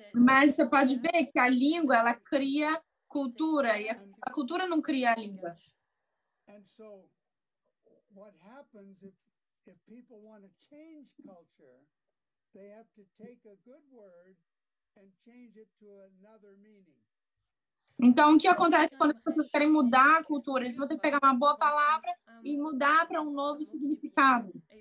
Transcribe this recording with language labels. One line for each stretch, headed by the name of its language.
Portuguese: Mas você pode ver que a língua, ela cria cultura, e a cultura não cria a língua.
English: And so, what happens if people want to change culture, they have to take a good word and change it to another meaning.
Portuguese: Então, o que acontece quando as pessoas querem mudar a cultura? Eles vão ter que pegar uma boa palavra e mudar para um novo significado.